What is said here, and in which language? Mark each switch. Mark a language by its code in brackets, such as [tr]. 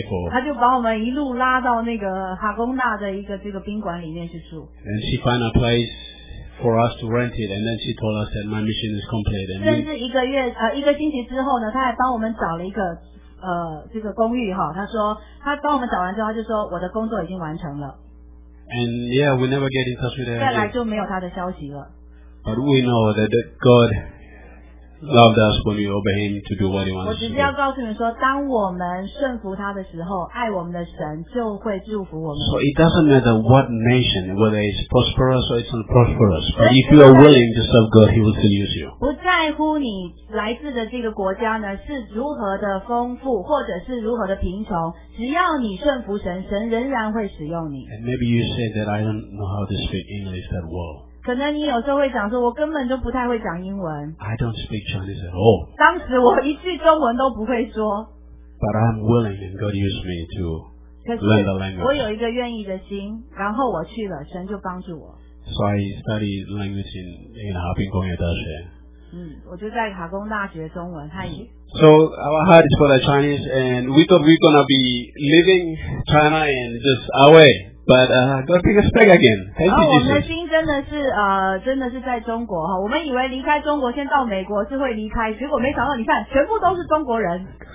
[zh] 他就把我们一路拉到那个哈工大的一个这个宾馆里面去住。 [en] And she found a place for us to rent it, and then she told us that my mission is complete. [zh] 甚至一个月一个星期之后呢，他还帮我们找了一个这个公寓哈。他说他帮我们找完之后，他就说我的工作已经完成了。 [en] And yeah, we never get in touch with her. [zh] 再来就没有他的消息了。 [en] But we know that God. Loved us when we obey him to do what he wants. [zh] 我只是要告诉你们说，当我们顺服他的时候，爱我们的神就会祝福我们。 [en] So it doesn't matter what nation, whether it's prosperous or it's unprosperous, but if you are willing to serve God, he will still use you. [zh] 不在乎你来自的这个国家呢是如何的丰富，或者是如何的贫穷，只要你顺服神，神仍然会使用你。 [en] And maybe you say that I don't know how to speak English that well. [zh] 可能你有时候会讲说我根本就不太会讲英文。 [en] I don't speak Chinese at all. [zh] 当时我一句中文都不会说。 [en] But I'm willing and God used me to learn the language. [zh] 我有一个愿意的心，然后我去了，神就帮助我。 [en] So I studied language in 哈尔滨工业大学。 [zh] 嗯，我就在哈工大学中文汉语。 [en] So our heart is for the Chinese, and we thought we're gonna be leaving China and just away. But God bring us back again. Thank you, Jesus. [zh] 我们的心真的是真的是在中国哈。我们以为离开中国先到美国是会离开，结果没想到你看，全部都是中国人。